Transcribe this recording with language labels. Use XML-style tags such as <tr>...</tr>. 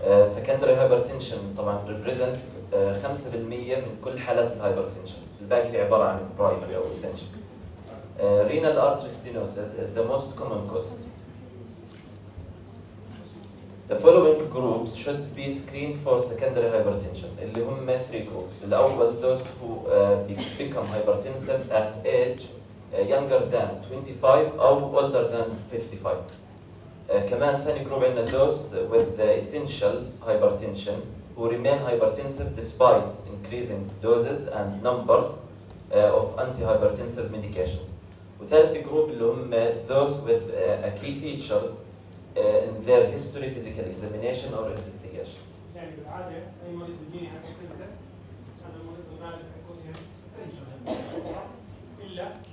<en>Secondary hypertension</en> <ar>طبعا represents 5% من كل حالات الهايبرتنشن. الباقي هي عبارة عن primary أو essential.</ar> <en>Renal artery stenosis is the most common cause. The following groups should be screened for secondary hypertension.</en> <ar>اللي هم 3 groups.</ar> <en>الأول those who become hypertensive at age younger than 25 or older than 55.</en> <ar>كمان ثاني جروب عندنا</ar> <en>those with the essential hypertension who remain hypertensive despite increasing doses and numbers of anti-hypertensive medications.</en> <ar>وثالث جروب اللي هم</ar> <en>those with a key features in their history, physical examination or investigations.</en> <ar>يعني بالعادة أي مريض بيجيني hypertensive هذا المريض بالغالب يكون essential. إلا</ar>